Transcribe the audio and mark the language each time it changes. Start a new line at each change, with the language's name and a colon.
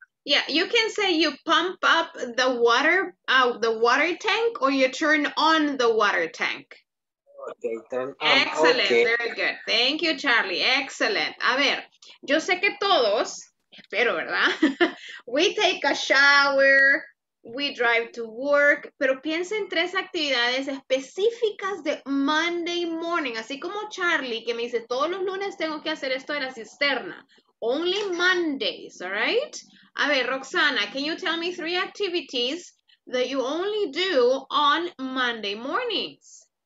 English: Yeah, you can say you pump up the water out the water tank or you turn on the water tank. Okay, excellent, okay. Very good. Thank you, Charlie. Excellent.
Spanish: A ver, yo sé que todos, espero, ¿verdad?
English: We take a shower. We drive to work,
Spanish: pero piensa en tres actividades específicas de Monday morning, así como Charlie que me dice todos los lunes tengo que hacer esto de la cisterna.
English: Only Mondays, all right? A ver, Roxana, can you tell me three activities that you only do on Monday mornings?